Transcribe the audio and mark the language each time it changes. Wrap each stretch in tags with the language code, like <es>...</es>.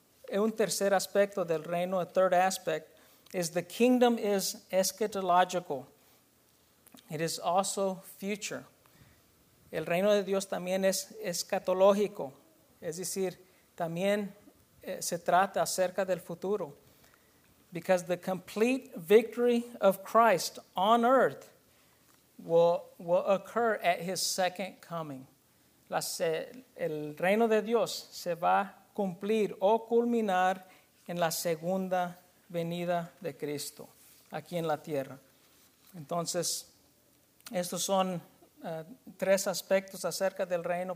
<es>Un tercer aspecto del reino,</es> <en>a third aspect, is the kingdom is eschatological. It is also future.</en> <es>El reino de Dios también es escatológico, es decir, también se trata acerca del futuro.</es> <en>Because the complete victory of Christ on earth will occur at his second coming.</en> <es>El reino de Dios se va a cumplir o culminar en la segunda venida de Cristo aquí en la tierra. Entonces, estos son tres aspectos acerca del reino.</es>